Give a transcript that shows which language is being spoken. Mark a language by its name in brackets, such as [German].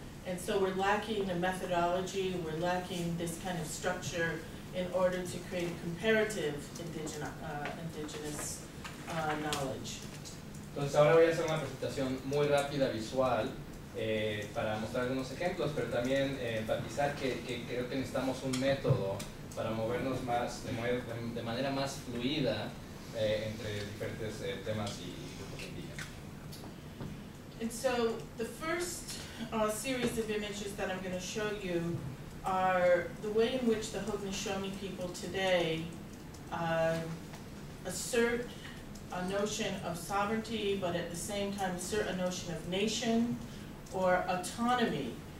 [English] And so we're lacking a methodology, we're lacking this kind of structure in order to create a comparative indigenous knowledge. [Spanish] Entonces ahora voy a hacer una presentación muy rápida, visual, para mostrar algunos ejemplos, pero también enfatizar que creo que necesitamos un método para movernos más de manera más fluida entre diferentes temas y grupos indígenas. [English] And so the first series of images that I'm going to show you are the way in which the Haudenosaunee people today assert a notion of sovereignty, but at the same time assert a notion of nation or autonomy.